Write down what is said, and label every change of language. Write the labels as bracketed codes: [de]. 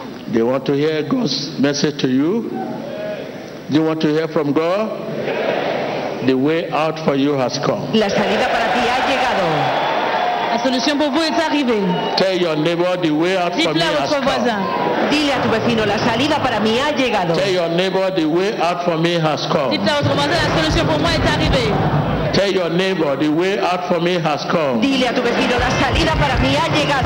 [en] Do you want to hear God's message to you? Do you want to hear from God? The way out for you has come. [es] La salida para ti ha llegado. La solución para vos está arrivada. [en] Tell your neighbor the way out for me has come. [es] Dile a tu vecino, la salida para mí ha llegado. [en] Tell your neighbor the way out for me has come. [es] Dile a otro vecino, la solución para mí está arrivada. [en] Tell your neighbor the way out for me has come. [es] Dile a tu vecino, la salida para mí ha llegado.